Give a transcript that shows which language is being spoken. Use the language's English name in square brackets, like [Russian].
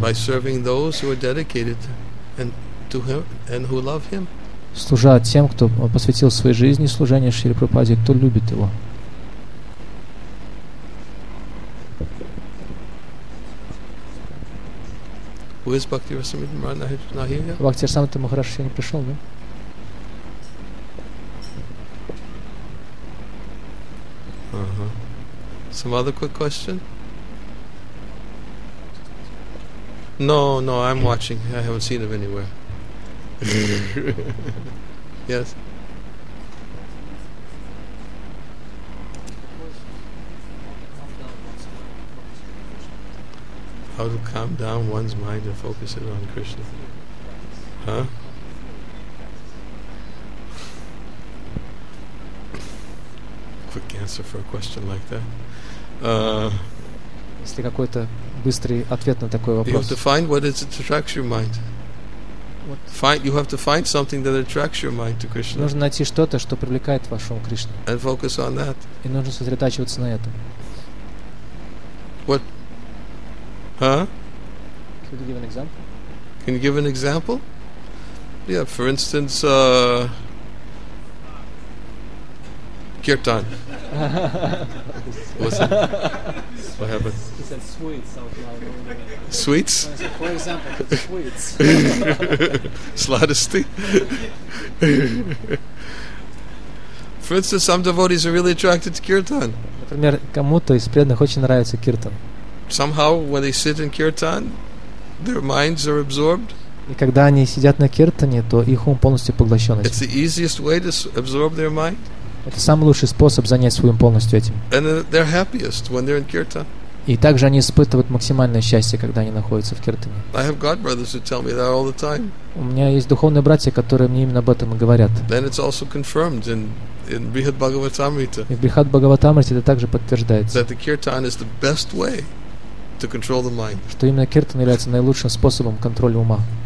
[English] By serving those who are dedicated and to him and who love him. [Russian] Служа тем, кто посвятил своей жизни служению Шриле Прабхупаде, кто любит его. [English] Is Bhakti Rasamrita Maharaj not here yet? [Russian] Bhakti Rasamrita Maharaj еще не пришел, да? [English] Some other quick question? No, I'm watching. I haven't seen him anywhere. Yes. How to calm down one's mind and focus it on Krishna. Huh? Quick answer for a question like that. [Russian] Если какой-то быстрый ответ на такой вопрос. [English] You have to find what is attracts your mind. What? You have to find something that attracts your mind to Krishna. [Russian] Нужно найти что-то, что привлекает ваш ум к Кришне. [English] And focus on that. [Russian] И нужно сосредотачиваться на этом. [English] What? Huh? Could you give an example? Can you give an example? Yeah, for instance, kirtan. What's that? What happened? He said sweets out loud. Sweets? For example, sweets. [Russian] Sladesty. [English] For instance, some devotees are really attracted to kirtan. [Russian] Например, кому-то из преданных очень нравится киртан. [English] Somehow, when they sit in kirtan, their minds are absorbed. [Russian] И когда они сидят на киртане, то их ум полностью поглощен. [English] It's the easiest way to absorb their mind. [Russian] Это самый лучший способ занять свой ум полностью этим. [English] And they're happiest when they're in kirtan. [Russian] И также они испытывают максимальное счастье, когда они находятся в киртане. [English] I have god brothers who tell me that all the time. [Russian] У меня есть духовные братья, которые мне именно об этом и говорят. [English] Then it's also confirmed in Brihad Bhagavatamrita. [Russian] И в Брихад Бхагаватамрите это также подтверждается. [English] That the kirtan is the best way to control the mind. [Russian] Что именно киртан является наилучшим способом контроля ума.